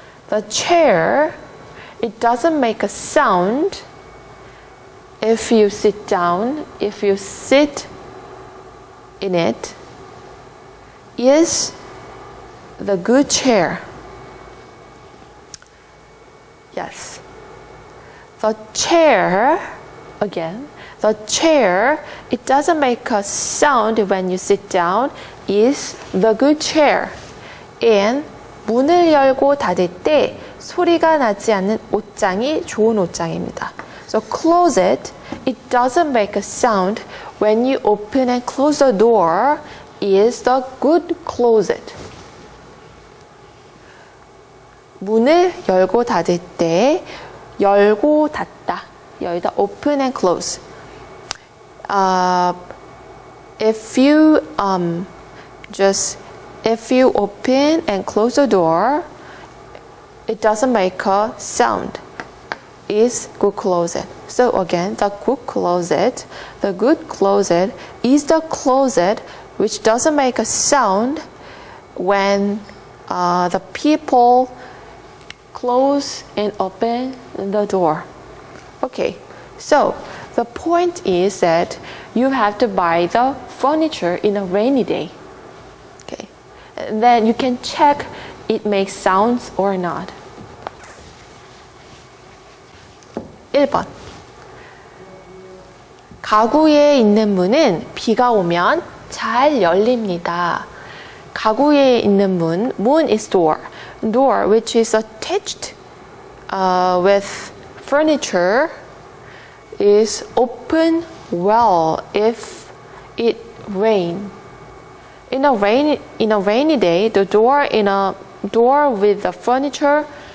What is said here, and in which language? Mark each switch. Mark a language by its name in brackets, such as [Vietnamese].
[English] The chair, it doesn't make a sound if you sit down, if you sit in it, is the good chair. Yes. The chair, again, the chair, it doesn't make a sound when you sit down, is the good chair. And [Korean] 문을 열고 닫을 때 소리가 나지 않는 옷장이 좋은 옷장입니다. [English] So close it, it doesn't make a sound when you open and close the door, is the good closet. [Korean] 문을 열고 닫을 때 열고 닫다. 여기다 [English] open and close. If you open and close the door, it doesn't make a sound. Is good closet. So again, the good closet is the closet which doesn't make a sound when the people close and open the door. Okay, so the point is that you have to buy the furniture in a rainy day. Okay, and then you can check it makes sounds or not. [Korean] 1번. 가구에 있는 문은 비가 오면 잘 열립니다. 가구에 있는 문, [English] moon is door. Door, which is attached with furniture, is open well if it rain. In a rainy day, the door with the furniture